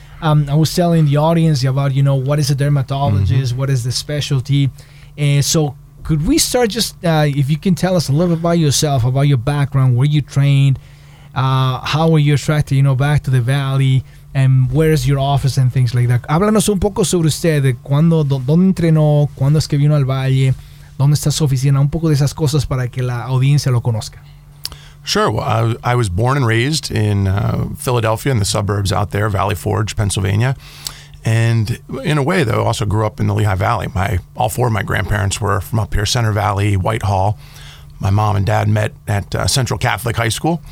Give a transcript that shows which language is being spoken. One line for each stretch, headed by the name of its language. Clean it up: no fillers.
English: I was telling the audience about, you know, what is a dermatologist, mm-hmm. what is the specialty. Could we start just, if you can tell us a little bit about yourself, about your background, where you trained, how were you attracted, you know, back to the Valley, and where is your office and things like that.
Spanish: Háblanos un poco sobre usted, de cuándo, dónde entrenó, cuándo es que vino al Valle, dónde está su oficina, un poco de esas cosas para que la audiencia lo conozca.
English: Sure. Well, I was born and raised in Philadelphia, in the suburbs out there, Valley Forge, Pennsylvania. And in a way, though, I also grew up in the Lehigh Valley. All four of my grandparents were from up here, Center Valley, Whitehall. My mom and dad met at Central Catholic High School.